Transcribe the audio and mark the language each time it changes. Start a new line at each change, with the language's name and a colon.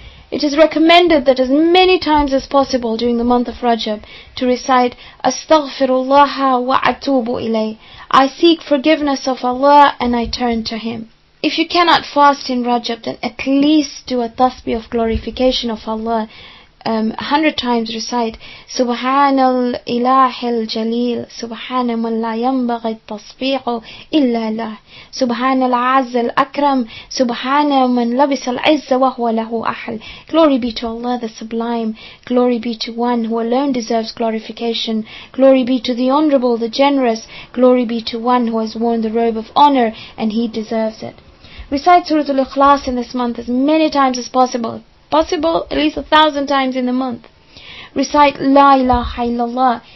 English: It is recommended that as many times as possible during the month of Rajab to recite
Arabic: Astaghfirullah wa atubu ilay.
English: I seek forgiveness of Allah and I turn to Him. If you cannot fast in Rajab, then at least do a tasbih of glorification of Allah. 100 times recite
Arabic: سبحان الإله الجليل سبحان من لا ينبغي التصفيق إلا له سبحان العز الأكرم سبحان من لبس العز وهو له أحل.
English: Glory be to Allah the Sublime. Glory be to One who alone deserves glorification. Glory be to the Honorable, the Generous. Glory be to One who has worn the robe of honor and he deserves it. Recite Surah Al-Ikhlas in this month as many times as possible. Possible at least 1,000 times in the month. Recite La ilaha illallah.